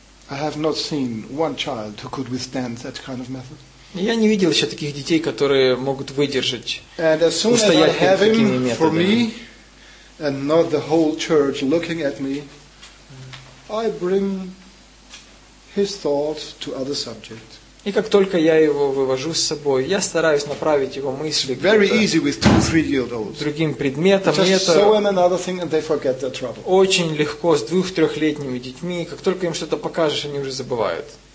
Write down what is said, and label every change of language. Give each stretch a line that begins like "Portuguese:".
English: I have not seen one child who could withstand that kind of method.
Russian: Я не видел еще таких детей, которые могут выдержать, устоять перед такими методами.
English: For me, and not the whole church looking at me, I bring his thought to other subject.
Russian: И как только я его вывожу с собой, я стараюсь направить его мысли к другим предметам. Это очень легко с 2-3-летними детьми. Как только им что-то покажешь, они уже забывают.